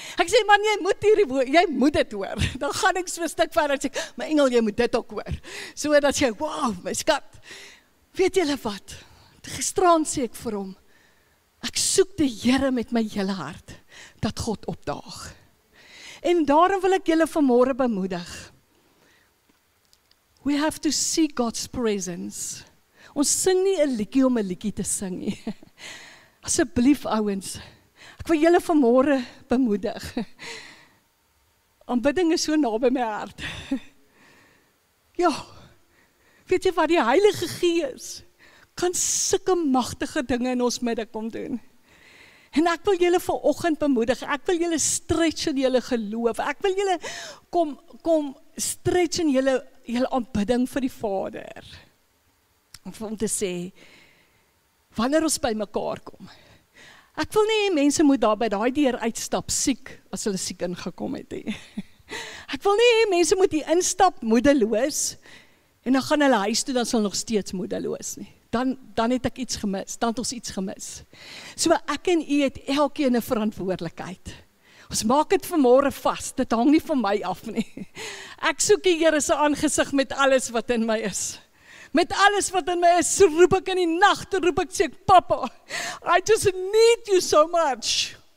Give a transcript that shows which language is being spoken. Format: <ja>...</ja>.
<af>Ek sê man jy moet hierdie woord, jy moet dit hoor. Dan gaan ek so 'n stuk verder sê ek my engel jy moet dit ook hoor. So dat sê wow, my skat. Weet julle wat? Gisteraan sê ek vir hom ek soek die Here met my hele hart dat God opdaag. En daarom wil ek julle vanmôre bemoedig.</af> <en>We have to see God's presence.</en> <af>Ons sing nie 'n liedjie om 'n liedjie te sing nie. Asseblief ouens, ek wil julle vanmôre bemoedig. Aanbidding is so naby my hart. Ja, weet jy wat die Heilige Gees kan sulke magtige dinge in ons midde kom doen. En ek wil julle vanoggend bemoedig. Ek wil julle stretch in julle geloof. Ek wil julle kom stretch in julle aanbidding vir die Vader. Om te sê wanneer ons by mekaar kom. Ek wil nie mense moet daar by daai deur uitstap siek as hulle siek ingekom het nie. Ek wil nie mense moet hier instap moedeloos en dan gaan hulle huis toe dan sal nog steeds moedeloos nie. Dan het ek iets gemis, dan het ons iets gemis. So ek en u het elkeen 'n verantwoordelikheid. Ons maak dit vanmôre vas, dit hang nie van my af nie. Ek soek die Here se aangesig met alles wat in my is. Met alles wat in my is, roep ek in die nag, roep ek sê, Papa,</af> <en>I just need you so much.</en>